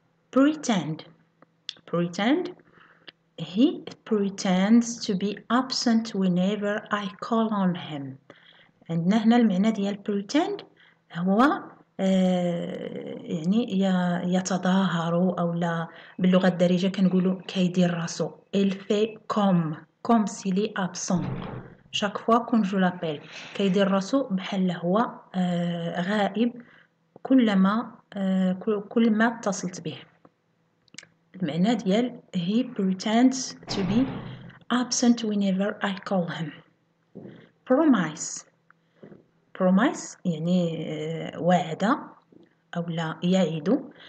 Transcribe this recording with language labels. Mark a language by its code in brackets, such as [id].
[en] pretend he pretends to be absent whenever I call on him. [ar] عندنا هنا المعنى ديال pretend هو يعني يتظاهر أو لا باللغة الدارجة كنقولوا كيدير راسو. [fr] il fait comme s'il est absent chaque fois qu'on je l'appelle. [ar] كيدير راسو بحال هو غائب كلما اتصلت به. المعنى ديال [en] he pretends to be absent whenever I call him. [ar] promise يعني وعد أو لا يعيد.